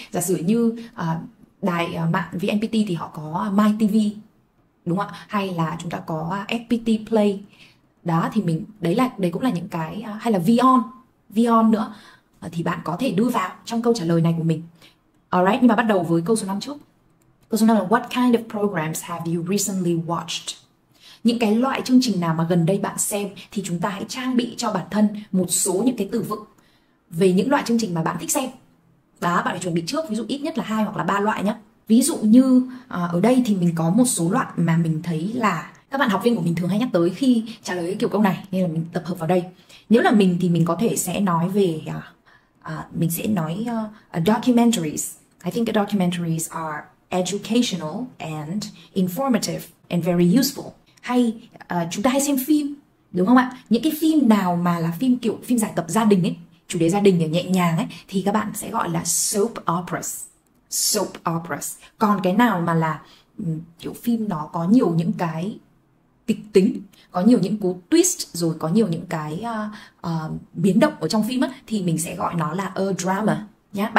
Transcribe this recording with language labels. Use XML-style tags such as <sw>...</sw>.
<vi>Giả sử như đài mạng VNPT thì họ có MyTV, đúng không ạ? Hay là chúng ta có FPT Play. Đó thì mình đấy là đấy cũng là những cái hay là Vion, Vion nữa thì bạn có thể đưa vào trong câu trả lời này của mình. Alright, nhưng mà bắt đầu với câu số 5 trước. Câu số 5 là</vi> <en>what kind of programs have you recently watched?</en> <vi>Những cái loại chương trình nào mà gần đây bạn xem thì chúng ta hãy trang bị cho bản thân một số những cái từ vựng về những loại chương trình mà bạn thích xem. Đó, bạn phải chuẩn bị trước, ví dụ ít nhất là hai hoặc là ba loại nhé. Ví dụ như ở đây thì mình có một số loại mà mình thấy là các bạn học viên của mình thường hay nhắc tới khi trả lời cái kiểu câu này, nên là mình tập hợp vào đây. Nếu là mình thì mình có thể sẽ nói về mình sẽ nói documentaries.</vi> <en>I think the documentaries are educational and informative and very useful.</en> <vi>Hay chúng ta hay xem phim, đúng không ạ? Những cái phim nào mà là phim kiểu phim giải tập gia đình ấy, chủ đề gia đình ấy, nhẹ nhàng ấy, thì các bạn sẽ gọi là soap operas. Soap operas. Còn cái nào mà là kiểu phim nó có nhiều những cái kịch tính, có nhiều những cú twist, rồi có nhiều những cái biến động ở trong phim á, thì mình sẽ gọi nó là a drama nhá.</vi>